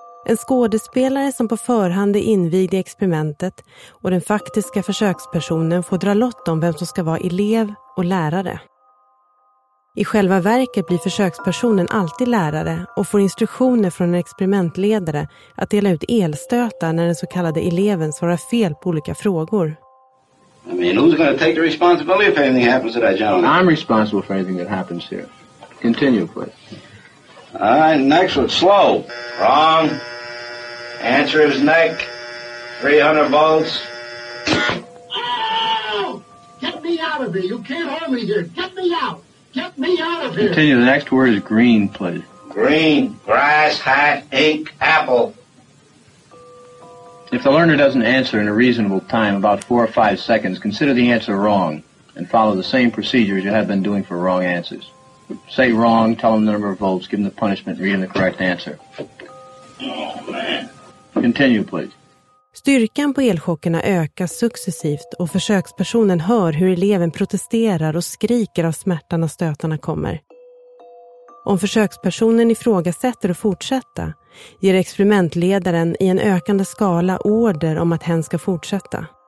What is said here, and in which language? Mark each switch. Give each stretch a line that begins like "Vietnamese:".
Swedish: En skådespelare som på förhand är invigd i experimentet och den faktiska försökspersonen får dra lott om vem som ska vara elev och lärare. I själva verket blir försökspersonen alltid lärare och får instruktioner från en experimentledare att dela ut elstötar när den så kallade eleven svarar fel på olika frågor.
English: I mean, who's going to take the responsibility if anything happens to that gentleman? I'm responsible for anything that happens here. Continue, please. All right, next one. Slow. Wrong. Answer his neck. 300 volts. Get me out of here. You can't harm me here. Get me out. Get me out of here. Continue. The next word is green, please. Green. Grass, hat, ink, apple. If the learner doesn't answer in a reasonable time, about 4 or 5 seconds, consider the answer wrong and follow the same procedure as you have been doing for wrong answers. Say wrong, tell them the number of volts, give them the punishment, read them the correct answer. Continue, please.
Swedish: Styrkan på elchockerna ökas successivt och försökspersonen hör hur eleven protesterar och skriker av smärta när stötarna kommer. Om försökspersonen ifrågasätter och fortsätta ger experimentledaren i en ökande skala order om att hen ska fortsätta.